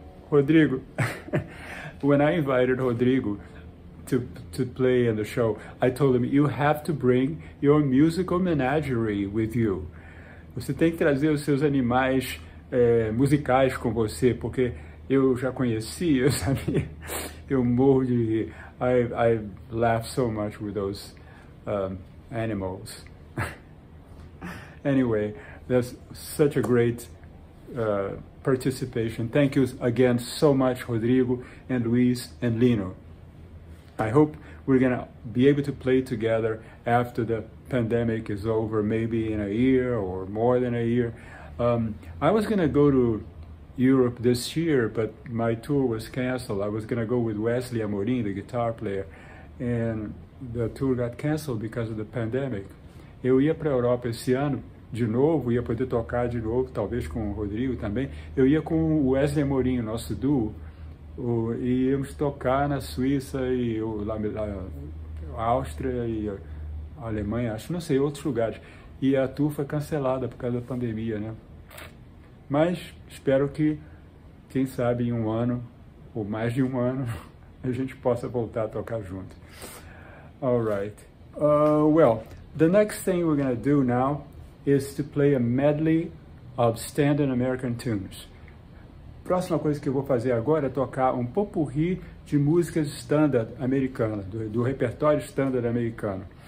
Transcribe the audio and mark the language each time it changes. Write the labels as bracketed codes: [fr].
[en] Rodrigo, when I invited Rodrigo to play in the show, I told him, you have to bring your musical menagerie with you. [pt] Você tem que trazer os seus animais musicais com você, porque eu já conheci, eu sabia, eu morro de rir. [en] I laugh so much with those animals. Anyway, that's such a great participation. Thank you again so much, Rodrigo and Luis and Lino. I hope we're gonna be able to play together after the pandemic is over, maybe in a year or more than a year. I was gonna go to Europe this year, but my tour was canceled. I was gonna go with Wesley Amorim, the guitar player, and the tour got canceled because of the pandemic. [pt] Eu ia para a Europa esse ano de novo, ia poder tocar de novo, talvez com o Rodrigo também. Eu ia com o Wesley Amorim, nosso duo, e íamos tocar na Suíça e lá, Áustria e Alemanha, acho, não sei, outros lugares. E a tour foi cancelada por causa da pandemia, né? Mas espero que, quem sabe, em um ano, ou mais de um ano, a gente possa voltar a tocar junto. [en] All right. Well, the next thing we're going to do now is to play a medley of standard American tunes. [pt] Próxima coisa que eu vou fazer agora é tocar um popurri de músicas standard americana, do repertório standard americano.